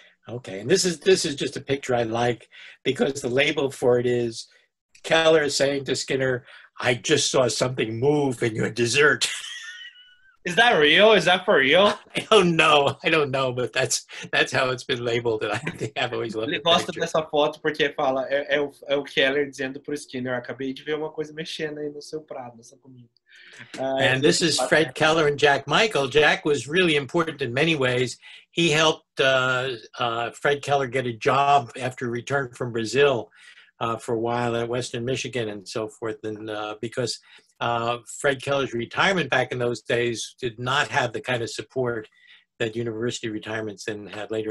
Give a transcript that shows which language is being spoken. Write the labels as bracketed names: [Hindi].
[English] Okay, and this is just a picture I like because the label for it is Keller saying to Skinner, I just saw something move in your dessert. Is that real? Is that for real? I don't know, but that's how it's been labeled, and I think I've always loved it. [Portuguese] Ele gosta dessa foto porque fala, é o Keller dizendo pro Skinner, acabei de ver uma coisa mexendo aí no seu prato, nessa comida. [English] And this is Fred Keller and Jack Michael. Jack was really important in many ways. He helped Fred Keller get a job after he returned from Brazil for a while at Western Michigan and so forth. And because Fred Keller's retirement back in those days did not have the kind of support that university retirements then had later.